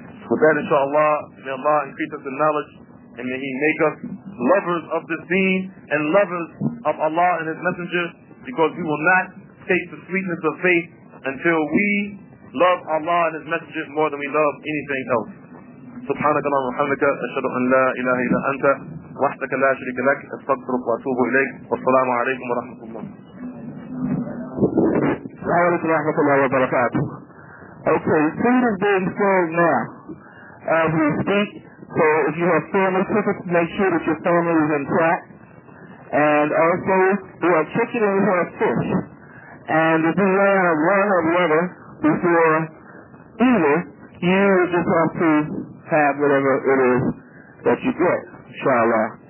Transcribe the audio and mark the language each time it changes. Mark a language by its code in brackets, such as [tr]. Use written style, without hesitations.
[en] With that, inshallah, may Allah increase us in knowledge, and may He make us lovers of this deen and lovers of Allah and His Messenger, because we will not taste the sweetness of faith until we love Allah and His Messenger more than we love anything else. [ar] سبحانك اللهم وبحمدك أشهد أن لا إله إلا أنت وحدك لا شريك لك أستغفرك وأتوب إليك والسلام عليكم ورحمة الله. السلام عليكم ورحمة الله وبركاته. [en] Okay, food is being served now. We speak. So if you have family tickets, make sure that your family is intact. And also, you have chicken and you have fish. And if you want to learn a letter before either, you just have to have whatever it is that you get, inshallah.